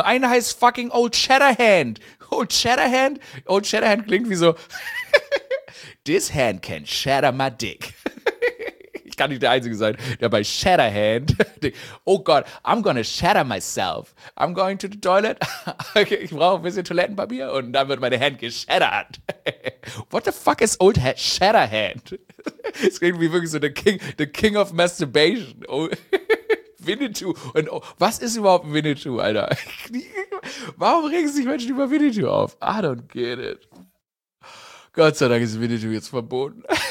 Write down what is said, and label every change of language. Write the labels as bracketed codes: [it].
[de] Einer heißt fucking Old Shatterhand? Old Shatterhand klingt wie so [en] This hand can shatter my dick. [de] Ich kann nicht der Einzige sein, der bei Shatterhand denkt, oh Gott, [en] I'm gonna shatter myself. I'm going to the toilet. [de] Okay, ich brauche ein bisschen Toilettenpapier und dann wird meine Hand geshattert. [en] What the fuck is old Shatterhand? [de] Das klingt wie wirklich so [en] the king of masturbation. [de] Oh, Winnetou. Und oh, was ist überhaupt Winnetou, Alter? Warum regen sich Menschen über Winnetou auf? [en] I don't get it. [de] Gott sei Dank ist Winnetou jetzt verboten.